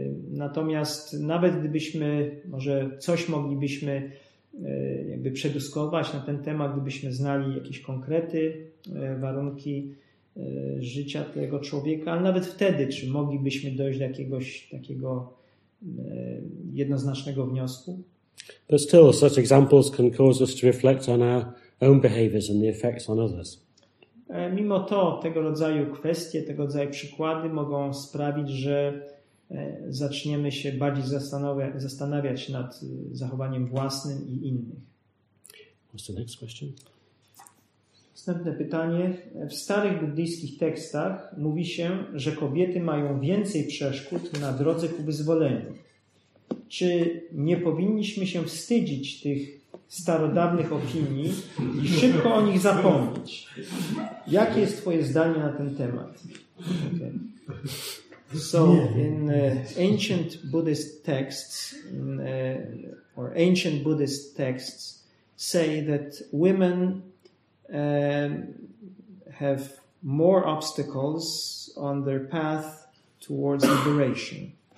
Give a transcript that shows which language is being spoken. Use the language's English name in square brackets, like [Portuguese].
[Polish] Natomiast nawet gdybyśmy, może coś moglibyśmy jakby przedyskutować na ten temat, gdybyśmy znali jakieś konkrety, warunki życia tego człowieka, ale nawet wtedy, czy moglibyśmy dojść do jakiegoś takiego jednoznacznego wniosku? [English] But still, such examples can cause us to reflect on our own behaviors and the effects on others. [Polish] Mimo to, tego rodzaju kwestie, tego rodzaju przykłady mogą sprawić, że zaczniemy się bardziej zastanawiać nad zachowaniem własnym i innych. [English] What's the next question? [Polish] Następne pytanie. W starych buddyjskich tekstach mówi się, że kobiety mają więcej przeszkód na drodze ku wyzwoleniu. Czy nie powinniśmy się wstydzić tych starodawnych opinii i szybko o nich zapomnieć? Jakie jest twoje zdanie na ten temat? [English] Okay. So, in ancient Buddhist texts, or ancient Buddhist texts say that women have more obstacles on their path towards liberation.